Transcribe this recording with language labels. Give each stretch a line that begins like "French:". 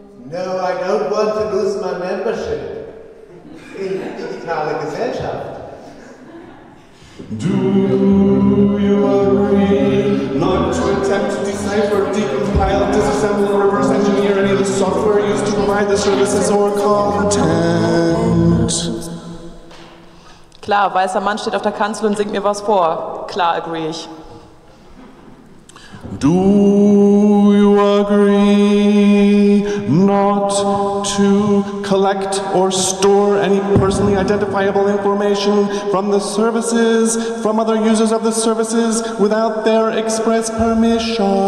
English: No, I don't want to lose my membership in Digital Gesellschaft. Do you agree not to attempt to decipher, decompile, disassemble, or reverse engineer any of the software used to provide the services or content?
German: Klar, weißer Mann steht auf der Kanzel und singt mir was vor. Klar, agree ich.
English: Do you agree not to collect or store any personally identifiable information from the services, from other users of the services, without their express permission?